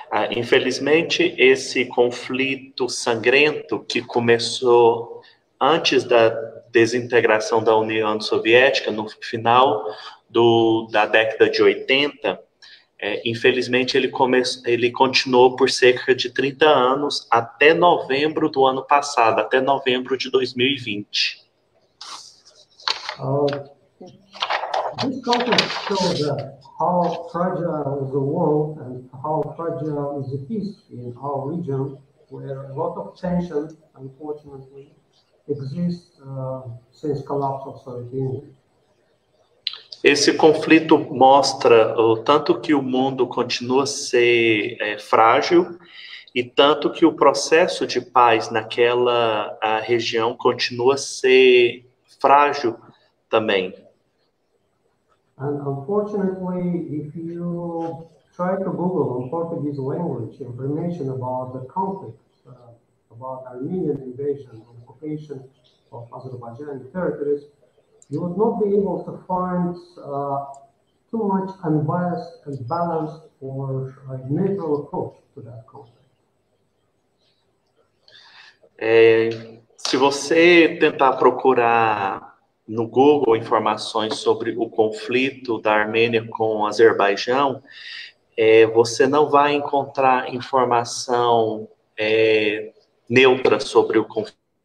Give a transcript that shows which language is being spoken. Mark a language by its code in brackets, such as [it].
[pt] Infelizmente, esse conflito sangrento que começou antes da desintegração da União Soviética, no final da década de 80, infelizmente, ele continuou por cerca de 30 anos até novembro do ano passado, até novembro de 2020. [en] This conflict shows that how fragile is the world and how fragile is the peace in our region, where a lot of tension, unfortunately, exists since collapse of Soviet Union. [pt] Esse conflito mostra o tanto que o mundo continua a ser frágil e tanto que o processo de paz naquela região continua a ser frágil também. [en] And unfortunately, if you try to Google in Portuguese language information about the conflict, about Armenian invasion and occupation of Azerbaijani territories, you would not be able to find too much unbiased and balanced or neutral approach to that conflict. [pt] Se você tentar procurar no Google informações sobre o conflito da Armênia com o Azerbaijão, você não vai encontrar informação neutra sobre o conflito.